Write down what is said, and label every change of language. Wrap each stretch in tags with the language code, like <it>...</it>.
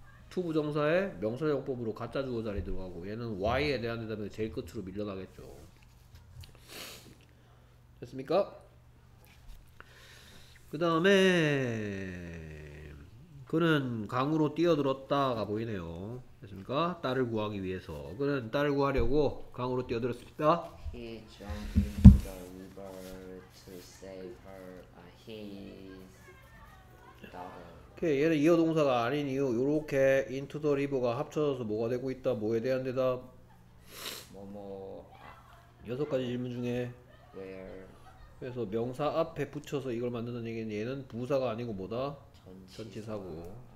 <ko>To 부정사에 명사용법으로 가짜 주어 자리 들어가고 얘는 why에 대한 대답에 제일 끝으로 밀려나겠죠. 됐습니까? 그 다음에 그는 강으로 뛰어들었다가 보이네요. 됐습니까? 딸을 구하기 위해서. 그는 딸을 구하려고 강으로 뛰어들었습니다.</ko> <en>He jumped into the river to save her, his daughter.</en> <ko>얘는 이어 동사가 아닌 이유. 요렇게</ko> <en>into the river</en> <ko>가 합쳐져서 뭐가 되고 있다. 뭐에 대한 대답. 뭐뭐. 여섯 가지 질문 중에.</ko> <en>Where.</en> <ko>그래서 명사 앞에 붙여서 이걸 만드는 얘기는 얘는 부사가 아니고 뭐다? 전치사고.</ko>